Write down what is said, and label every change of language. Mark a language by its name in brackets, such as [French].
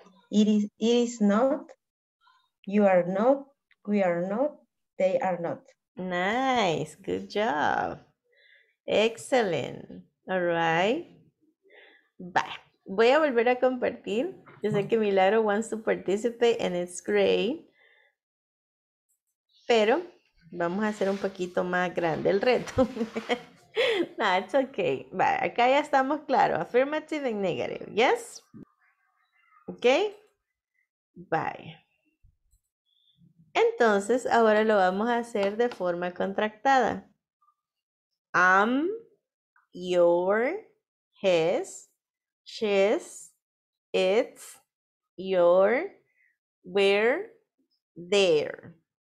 [English] It is not. You are not. We are not. They are not. Nice. Good job. Excellent. All right. Bye. [Spanish] Voy a volver a compartir. Yo sé que [English] Milagro wants to participate and it's great. [Spanish] Pero vamos a hacer un poquito más grande el reto. [English] No, it's okay. Bye. [Spanish] Acá ya estamos claros. [English] Affirmative and negative. Yes? Okay? Bye. [Spanish] Entonces, ahora lo vamos a hacer de forma contractada. [English] I'm, your, his, she's, it's, your, we're, there.